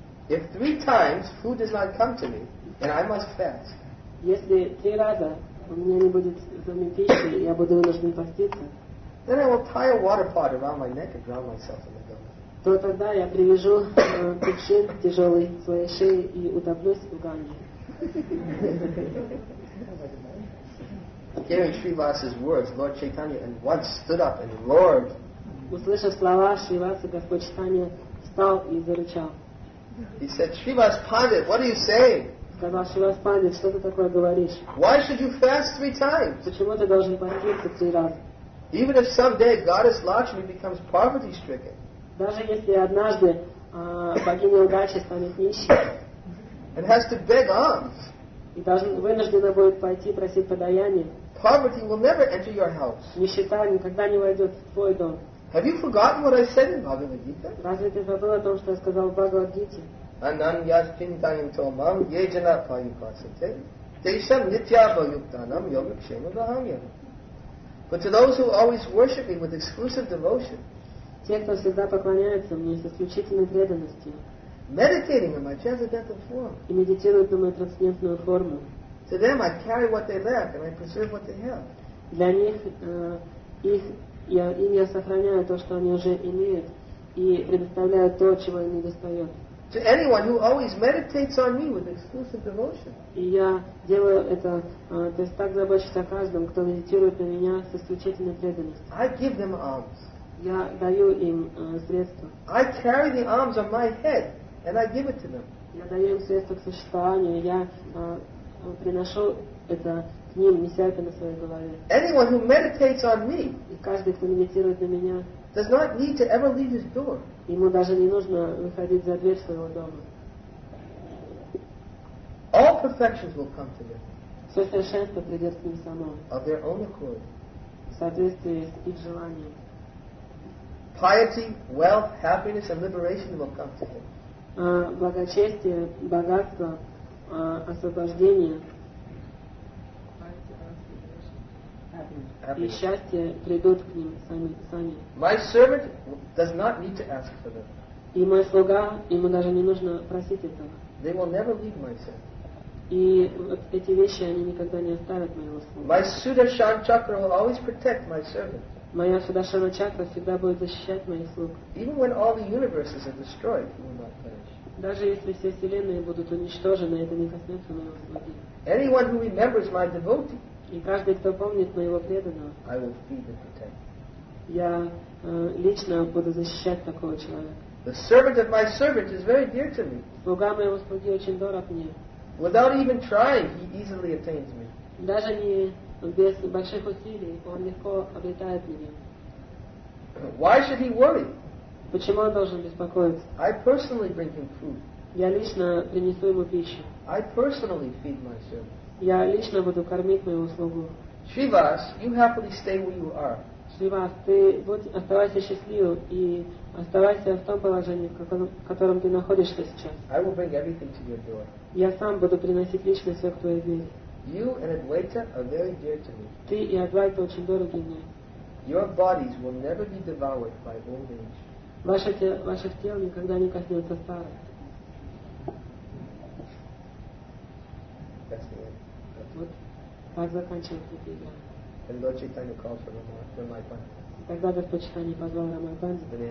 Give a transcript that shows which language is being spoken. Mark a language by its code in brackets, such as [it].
[en] If three times food does not come to me, then I must fast. [ru] Если три раза у меня не будет дома пищи, я буду вынужден поститься. [en] Then I will tie a water pot around my neck and drown myself in the Ganga. [ru] То тогда я привяжу кувшин тяжелый к своей шее и утоплюсь в Ганге. [en] Hearing Shrivas's words, Lord Chaitanya at once stood up and roared. [ru] Услышав слова Шриваса, Господь Чайтанья встал и зарычал. [en] He said, Shrivas Pandit, what are you saying? [ru] Сказал Шривас Пандит, что ты такое говоришь? [en] Why should you fast three times? [ru] Почему ты должен поститься три раза? [en] Even if someday goddess Lakshmi becomes poverty stricken. [ru] Даже если однажды богиня удачи станет нищей. [en] And has to beg alms. [ru] И вынуждена будет пойти просить подаяние. [en] Poverty will never enter your house. [ru] Нищета никогда не войдет в твой дом. [en] Have you forgotten what I said in Bhagavad Gita? [ru] Разве ты забыл о том, что я сказал в Бхагавад Гите? [sa] Ананьяс чинтаям томам еджана паюпасате тейшам нитьяба юктанам йогакшема бахамьям. [en] But to those who always worship me with exclusive devotion, [ru] те, кто всегда поклоняется мне с исключительной преданностью, [en] meditating on my transcendental form, [ru] и медитируют на мою трансцендентную форму, [en] to them I carry what they lack and I preserve what they have. [ru] Для них их я, им я сохраняю то, что они уже имеют, и предоставляю то, чего им не достает. [en] To anyone who always meditates on me with exclusive devotion. [ru] И я делаю это, то есть так заботиться о каждом, кто медитирует на меня с исключительной преданностью. [en] I give them alms. [ru] Я даю им средства. [en] I carry the alms on my head and I give it to them. [ru] Я даю им средства к существованию, я приношу это к ним, неся это на своей голове. [en] Anyone who meditates on me. [ru] И каждый, кто медитирует на меня. [en] Does not need to ever leave his door. [ru] Ему даже не нужно выходить за дверь своего дома. [en] All perfections will come to them. [ru] Все совершенство придет к ним само. [en] Of their own accord. [ru] В соответствии с их желанием. [en] Piety, wealth, happiness, and liberation will come to them. [ru] Благочестие, богатство, освобождение. И счастье придут к ним сами. [en] My servant does not need to ask for them. [ru] И мой слуга, ему даже не нужно просить этого. [en] They will never leave my servant. [ru] И вот эти вещи они никогда не оставят моего слуга. [en] My Sudarshan chakra will always protect my servant. [ru] Моя Sudarshana chakra всегда будет защищать моих слуг. [en] Even when all the universes are destroyed, he will not perish. [ru] Даже если все вселенные будут уничтожены, это не коснется моего слуги. [en] Anyone who remembers my devotee. [ru] И каждый, кто помнит моего преданного, [en] I will feed and protect. [ru] Я лично буду защищать такого человека. [en] The servant of my servant is very dear to me. [ru] Слуга моего слуги очень дорог мне. [en] Without even trying, he easily attains me. [ru] Даже не без больших усилий он легко обретает меня. [en] Why should he worry? [ru] Почему он должен беспокоиться? [en] I personally bring him food. [ru] Я лично принесу ему пищу. [en] I personally feed my servant. [ru] Я лично буду кормить мою слугу. [en] Shrivas, you happily stay where you are. [ru] Shrivas, ты будь оставайся счастливым и оставайся в том положении, в котором ты находишься сейчас. [en] I will bring everything to your door. [ru] Я сам буду приносить лично все к твоей двери. [en] You and Advaita are very dear to me. [ru] Ты и Адвайта очень дороги мне. [en] Your bodies will never be devoured by old age. [ru] Ваших тел никогда не коснется старость. Так заканчивается эта игра. Тогда Господь позвал Рамайбанди.